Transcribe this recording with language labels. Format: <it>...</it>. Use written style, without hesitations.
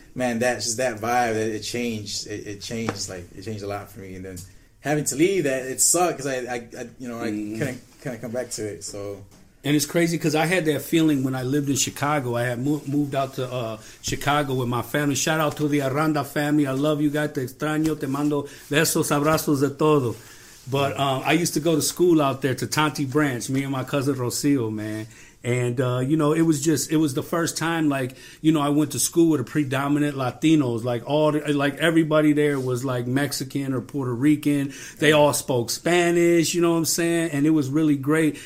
<en>Man, that's just that vibe, that it changed. It changed a lot for me. And then having to leave that, it sucked because I couldn't come back to it, so. And it's crazy because I had that feeling when I lived in Chicago. I had moved out to Chicago with my family. Shout out to the Aranda family. I love you guys.</en> <es>Te extraño. Te mando besos, abrazos de todo.</es> <en>But I used to go to school out there, to Tonti Branch, me and my cousin Rocio, man. And, you know, it was the first time, like, you know, I went to school with a predominant Latinos, like everybody there was like Mexican or Puerto Rican. They all spoke Spanish, you know what I'm saying? And it was really great.</en>